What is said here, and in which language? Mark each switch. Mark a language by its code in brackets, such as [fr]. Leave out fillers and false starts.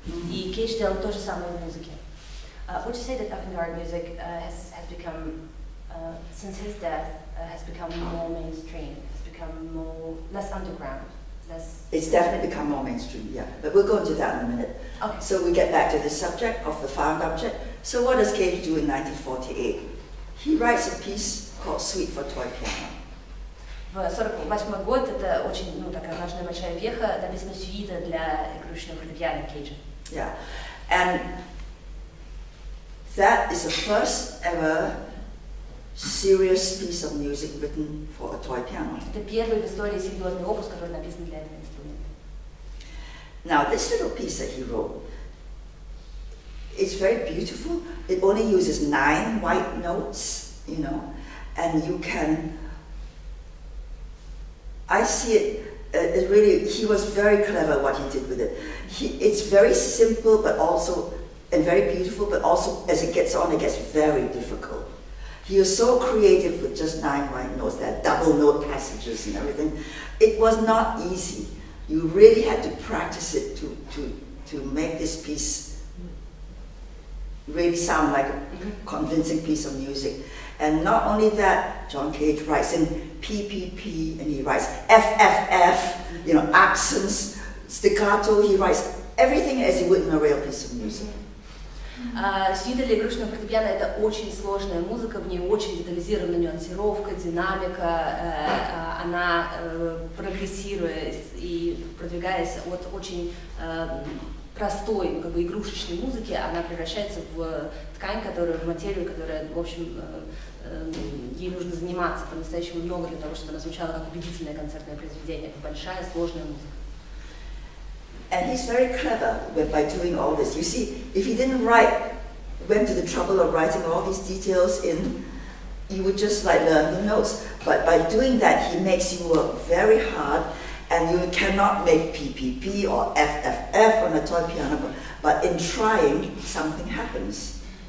[ru] И Кейдж делал то же самое в музыке. [en] Would you say that avant-garde music has become, since his death, has become more mainstream, has become more less underground, less? It's definitely become more mainstream, yeah. But we'll go into that in a minute. Okay. So we get back to the subject of the found object. So what does Кейдж do in 1948? He writes a piece called Suite for Toy Piano. [ru] В 1948 год это очень, ну, такая важная большая веха, написана сюита для игрушечного фортепиано Кейджа. [en] Yeah, and that is the first ever serious piece of music written for a toy piano. [ru] Это первый в истории серьезный опус, который написан для этого инструмента. [en] Now this little piece that he wrote is very beautiful. It only uses 9 white notes, you know, and you can. I see it. It really, he was very clever what he did with it. It's very simple, but also, and very beautiful, but also as it gets on, it gets very difficult. He was so creative with just 9 white notes, there are double note passages and everything. It was not easy. You really had to practice it to make this piece really sound like a convincing piece of music. And not only that, John Cage writes in PPP, and he writes FFF, you know, accents, staccato, he writes everything as he would in a real piece of music. [ru] Сюита для игрушечного фортепиано — это очень сложная музыка, в ней очень детализирована нюансировка, динамика, она прогрессирует и продвигается от очень простой, как бы игрушечной музыки, она превращается в ткань, которая, в материю, которая, в общем, ей нужно заниматься по-настоящему много для того, чтобы она звучала как убедительное концертное произведение. Это большая, сложная музыка. [en] And he's very clever by doing all this. You see, if he didn't write, went to the trouble of writing all these details in, you would just like learn the notes. But by doing that, he makes you work very hard, and you cannot make PPP or FFF on a toy piano, but in trying, something happens.